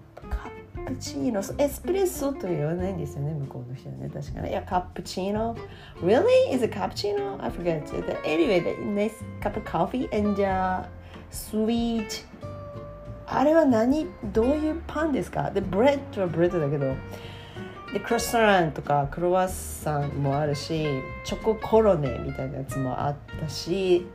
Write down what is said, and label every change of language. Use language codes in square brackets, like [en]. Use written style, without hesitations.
[ja] カプチーノ、エスプレッソと言わないんですよね、向こうの人はね、確かに。いや、カプチーノ。 [en] Really? Is it cappuccino? I forget. Anyway, the nice cup of coffee and sweet. [ja] あれは何、どういうパンですか? [en] The bread [ja] はブレッドだけど。で、クロスランとかクロワッサンもあるし、チョココロネみたいなやつもあったし。